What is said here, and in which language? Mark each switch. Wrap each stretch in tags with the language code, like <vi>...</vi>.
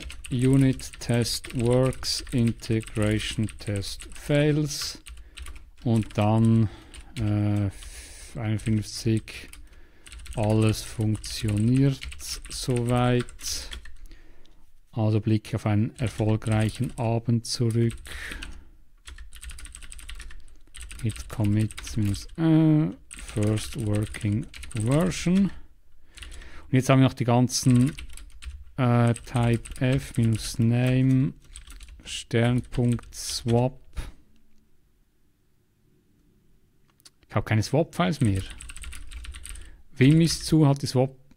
<en>Unit Test Works, Integration Test Fails</en> <de>und dann 51, alles funktioniert soweit. Also Blick auf einen erfolgreichen Abend zurück.</de> <en>Git commit first working version.</en> <de>Und jetzt haben wir noch die ganzen type f -name Stern.swap. Ich habe keine Swap-Files mehr. Vim ist zu, hat die Swap.</de>